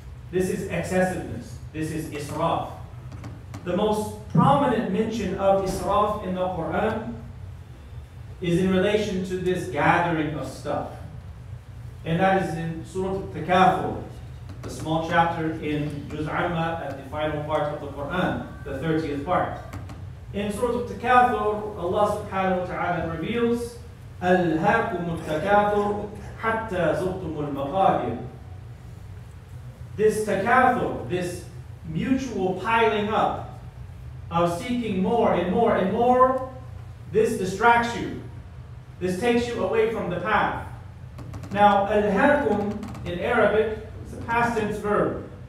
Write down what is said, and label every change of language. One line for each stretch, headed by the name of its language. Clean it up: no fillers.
English: This is excessiveness. This is israf. The most prominent mention of israf in the Quran is in relation to this gathering of stuff. And that is in Surah Al-Takathur, the small chapter in Juz Amma at the final part of the Quran, the 30th part. In Surah Al-Takathur, Allah subhanahu wa ta'ala reveals
Arabic: ألهاكم التكاثر حتى زرتم المقابر.
English: This takathur, this mutual piling up of seeking more and more and more, this distracts you. This takes you away from the path. Now, alhaqum in Arabic is a past tense verb.